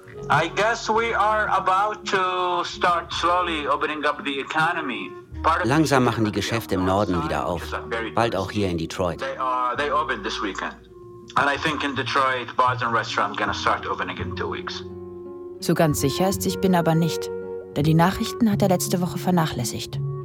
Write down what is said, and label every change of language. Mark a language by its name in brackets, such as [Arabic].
[English] I guess we are about to start slowly opening up the economy. [German] Langsam machen die Geschäfte im Norden wieder auf. Bald auch hier in Detroit. [English] They opened this weekend. And I think in Detroit bars and restaurants gonna start opening in 2 weeks. [German] So ganz sicher ist sich Bin aber nicht, denn die Nachrichten hat er letzte Woche vernachlässigt.